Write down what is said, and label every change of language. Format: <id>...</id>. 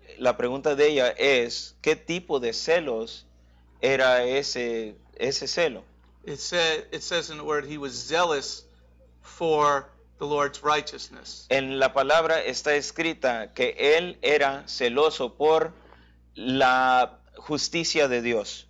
<es>La pregunta de ella es, ¿qué tipo de celos era ese celo?</es> <en>It says in the word he was zealous for the Lord's righteousness.</en> <es>En la palabra está escrita que él era celoso por la justicia de Dios.</es>